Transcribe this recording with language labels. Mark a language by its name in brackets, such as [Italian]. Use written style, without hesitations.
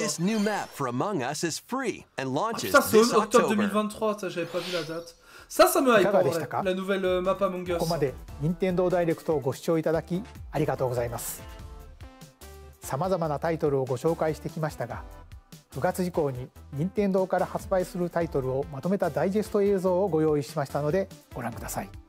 [English] This new map for Among Us is free and launches this October. [French] Ah, putain, c'est octobre 2023, ça, j'avais pas vu la date. Ça, ça me hype en vrai, la nouvelle map Among Us. [Japanese] ここまで Nintendo Direct をご視聴いただきありがとうございます。様々なタイトルをご紹介してきましたが、9月以降に任天堂から発売するタイトルをまとめたダイジェスト映像をご用意しましたのでご覧ください。